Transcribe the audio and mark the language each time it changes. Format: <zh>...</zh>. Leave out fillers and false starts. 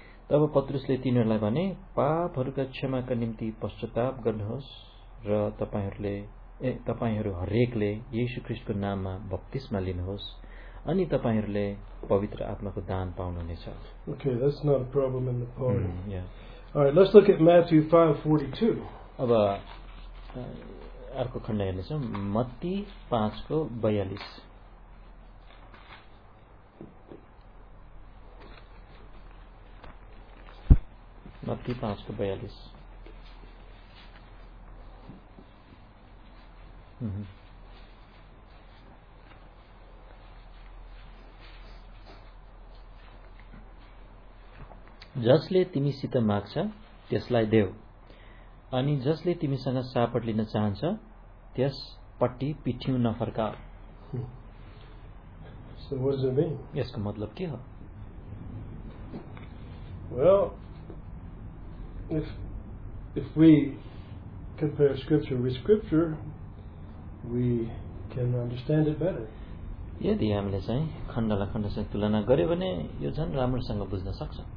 <ne>तब पत्रुसले तिनीहरूलाई भने पापहरूका क्षमाका निम्ति पश्चाताप गर्नुहोस् र तपाईँहरू हरेकले येशु ख्रिस्टको नाममा बप्तिस्मा लिनुहोस् अनि तपाईँहरूले पवित्र आत्माको दान पाउनुहुनेछ.</ne> <en>Okay, that's not a problem in the poem. Yeah. All right, let's look at Matthew 5:42.</en> <ne>अब अर्को खण्ड हेर्नेछ मत्ती 5:42. मत्ती 5:42. जसले तिमीसित माग्छ त्यसलाई देऊ अनि जसले तिमीसँग सापट लिन चाहन्छ त्यसपट्टि पिठ्यु नफर्का.</ne> <en>So what does it mean?</en> <ne>यसको मतलब के हो?</ne> <en>Well, if we compare scripture with scripture, we can understand it better.</en> <ne>यदि हामीले चाहिँ खण्डलाई खण्डसँग तुलना गर्यो भने यो झन् राम्रोसँग बुझ्न सक्छ.</ne>